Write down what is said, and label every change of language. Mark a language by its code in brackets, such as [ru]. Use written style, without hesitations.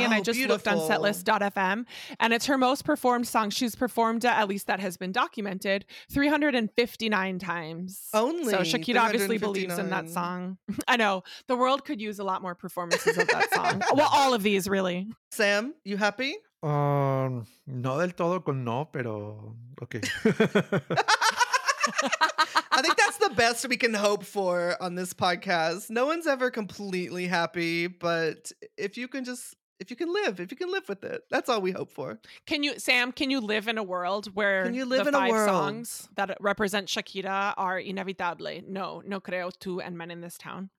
[en] And I just looked on setlist.fm, and it's her most performed song. She's performed, at least that has been documented, 359 times. Only? So Shakira obviously believes in that song. I know. The world could use a lot more performances of that song. Well, all of these, really. Sam, you happy? [es] No del todo con No, pero okay. [en] I think that's the best we can hope for on this podcast. No one's ever completely happy, but if you can live with it, that's all we hope for. Can you live in a world where songs that represent Shakira are Inevitable, No, No Creo, Two, and Men in This Town?